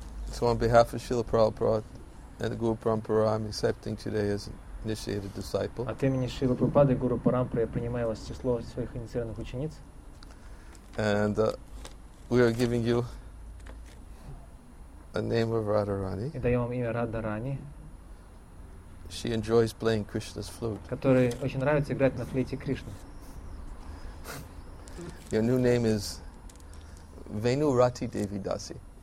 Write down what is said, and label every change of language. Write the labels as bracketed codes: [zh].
[en] So on behalf of Srila Prabhupada and the Guru Parampara, I'm accepting today as an initiated disciple. [ru] От имени Шрилы Прабхупады и Гуру Парампары я принимаю вас в число своих инициированных учениц. [en] And we are giving you a name of Radharani. [ru] И даем вам имя Радхарани. [en] She enjoys playing Krishna's flute. [ru] Которой очень нравится играть на флейте Кришны. [en] Your new name is Venu Rati Devi Dasi.